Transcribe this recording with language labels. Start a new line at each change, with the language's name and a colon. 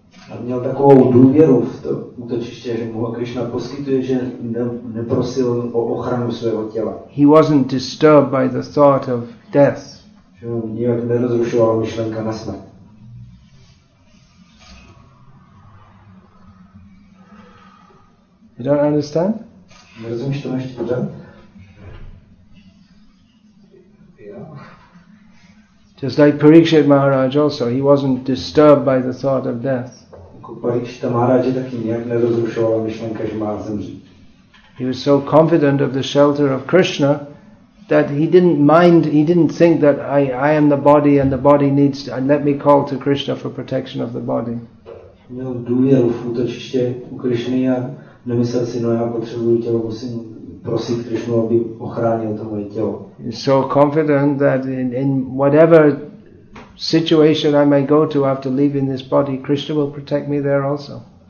Czech: A měl takovou důvěru v to útočiště, že mu Krishna poskytuje, že neprosil o ochranu svého těla.
English: He wasn't disturbed by the thought of death.
Czech: Že mu nijak nerozrušovala myšlenka na smrt.
English: You don't understand?
Czech: Nerozumíš to ještě pořád?
English: Yeah. Just like Parikshit Maharaj also, he wasn't disturbed by the thought of death.
Czech: Parikshita Maharaj taky nějak nerozrušoval myšlenka, že má zemřít.
English: He was so confident of the shelter of Krishna that he didn't mind, he didn't think that I am the body and the body needs to, and let me call to Krishna for protection of the body.
Czech: Měl důvěru v útočiště u Krishny a nemyslel si, no já potřebuji tělo, musím prosit Krishnu, aby ochránil to moje tělo.
English: He's so confident that in whatever situation I may go to after leaving this body, Krishna will protect me there also.